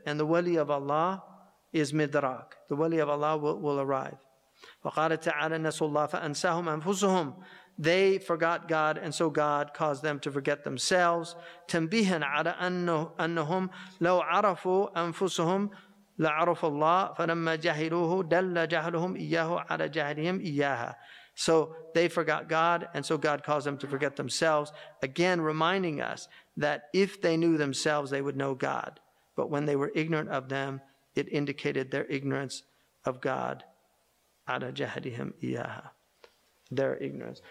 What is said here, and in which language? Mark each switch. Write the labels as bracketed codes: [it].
[en] And the wali of Allah is midrak. The wali of Allah will arrive. [ar] وقال تعالى نسوا الله فأنساهم أنفسهم. [en] They forgot God, and so God caused them to forget themselves. [ar] تنبيها على أنهم لو عرفوا أنفسهم لعرف الله فلما جهلوه دل جهلهم إياه على جهلهم إياها. [en] So they forgot God, and so God caused them to forget themselves. Again, reminding us that if they knew themselves, they would know God. But when they were ignorant of them, it indicated their ignorance of God. [ar] عَلَى جَهَدِهِمْ إِيَّاهَا. [en] Their ignorance.